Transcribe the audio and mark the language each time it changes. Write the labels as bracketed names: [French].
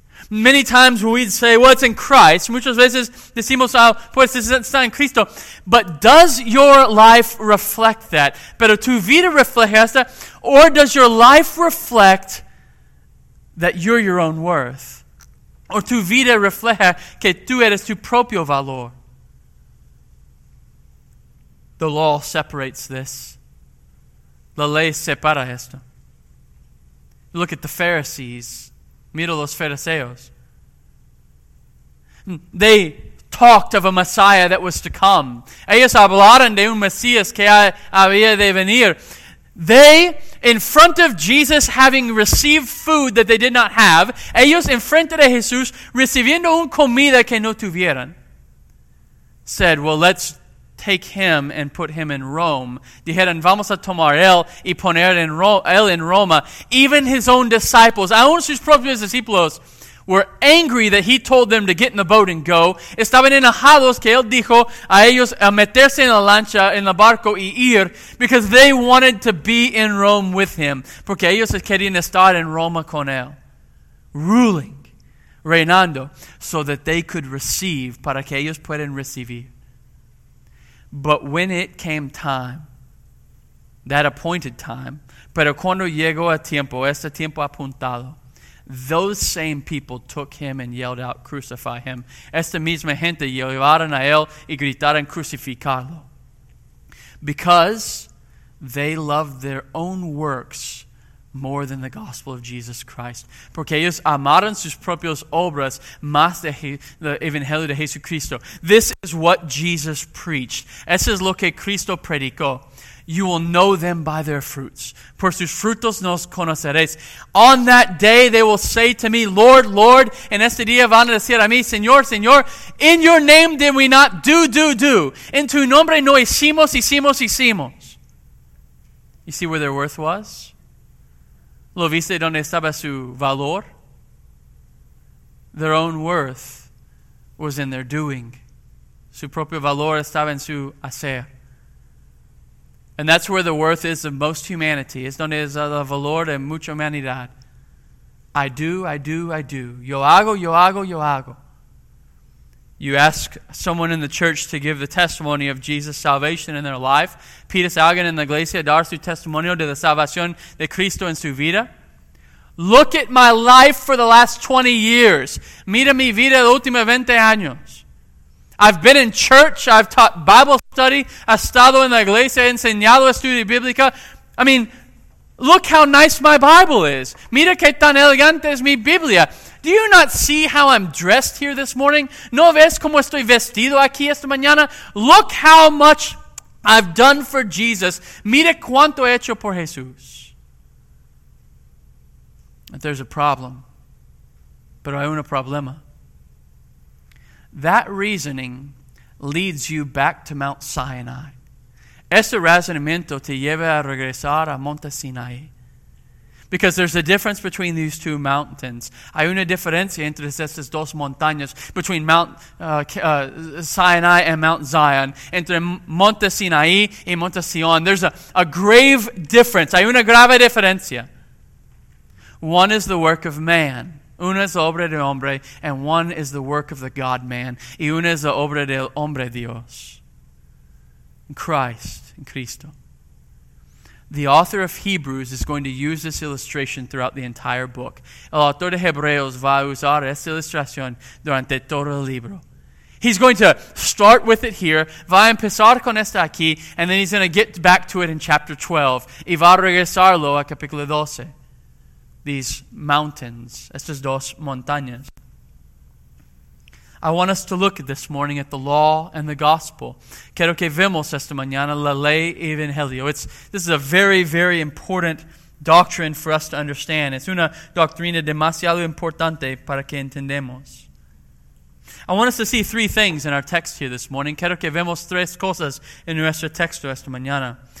[English] Many times we'd say, well, it's in Christ. [Spanish] Muchas veces decimos, pues, está en Cristo. [English] But does your life reflect that? [Spanish] ¿Pero tu vida refleja esta? [English] Or does your life reflect that you're your own worth? [Spanish] ¿O tu vida refleja que tú eres tu propio valor? [English] The law separates this. [Spanish] La ley separa esto. [English] Look at the Pharisees. [Spanish] Mira los fariseos. [English] They talked of a Messiah that was to come. [Spanish] Ellos hablaron de un Mesías que había de venir. [English] They, in front of Jesus, having received food that they did not have, [Spanish] ellos en frente de Jesús, recibiendo un comida que no tuvieron, [English] said, well, let's take him and put him in Rome. [Spanish] Dijeron, vamos a tomar él y poner él en Roma. [English] Even his own disciples, [Spanish] aun sus propios discípulos, [English] were angry that he told them to get in the boat and go. [Spanish] Estaban enojados que él dijo a ellos a meterse en la lancha, en el barco y ir, [English] because they wanted to be in Rome with him. [Spanish] Porque ellos querían estar en Roma con él. [English] Ruling, [Spanish] reinando, [English] so that they could receive, [Spanish] para que ellos puedan recibir. [English] But when it came time, that appointed time, [Spanish] pero cuando llegó a tiempo, este tiempo apuntado, [English] those same people took him and yelled out, crucify him. [Spanish] Esta misma gente llevaron a él y gritaron, crucificarlo. [English] Because they loved their own works more than the gospel of Jesus Christ. [Spanish] Porque ellos amaron sus propias obras más de el Evangelio de Jesucristo. [English] This is what Jesus preached. [Spanish] Eso es lo que Cristo predicó. [English] You will know them by their fruits. [Spanish] Por sus frutos nos conoceréis. [English] On that day they will say to me, Lord, Lord, [Spanish] en este día van a decir a mí, Señor, Señor, [English] in your name did we not do. [Spanish] En tu nombre no hicimos, hicimos, hicimos. [English] You see where their worth was? [Spanish] ¿Lo viste donde estaba su valor? [English] Their own worth was in their doing. [Spanish] Su propio valor estaba en su hacer. [English] And that's where the worth is of most humanity. [Spanish] Es donde es el valor de mucha humanidad. [English] I do, I do, I do. [Spanish] Yo hago, yo hago, yo hago. [English] You ask someone in the church to give the testimony of Jesus' salvation in their life. [Spanish] Pides a alguien en la iglesia dar su testimonio de la salvación de Cristo en su vida. [English] Look at my life for the last 20 years. [Spanish] Mira mi vida los últimos 20 años. [English] I've been in church. I've taught Bible study. [Spanish] He estado en la iglesia. He enseñado estudio bíblico. [English] I mean, look how nice my Bible is. [Spanish] Mira que tan elegante es mi Biblia. [English] Do you not see how I'm dressed here this morning? [Spanish] ¿No ves cómo estoy vestido aquí esta mañana? [English] Look how much I've done for Jesus. [Spanish] Mira cuánto he hecho por Jesús. [English] But there's a problem. [Spanish] Pero hay un problema. [English] That reasoning leads you back to Mount Sinai. [Spanish] Ese razonamiento te lleva a regresar a Monte Sinai. [English] Because there's a difference between these two mountains. [Spanish] Hay una diferencia entre estas dos montañas, [English] between Mount Sinai and Mount Zion, [Spanish] entre Monte Sinai y Monte Sion. [English] There's a grave difference. [Spanish] Hay una grave diferencia. [English] One is the work of man. [Spanish] Una es la obra del hombre, [English] and one is the work of the God-man. [Spanish] Y una es la obra del hombre Dios. [English] Christ, [Spanish] en Cristo. [English] The author of Hebrews is going to use this illustration throughout the entire book. [Spanish] El autor de Hebreos va a usar esta ilustración durante todo el libro. [English] He's going to start with it here, [Spanish] va a empezar con esta aquí, [English] and then he's going to get back to it in chapter 12, [Spanish] y va a regresarlo a capítulo 12. [English] These mountains, [Spanish] estas dos montañas. [English] I want us to look at this morning at the law and the gospel. [Spanish] Quiero que vemos esta mañana la ley y evangelio. [English] This is a very, very important doctrine for us to understand. [Spanish] Es una doctrina demasiado importante para que entendamos. [English] I want us to see three things in our text here this morning. [Spanish] Quiero que vemos tres cosas en nuestro texto esta mañana.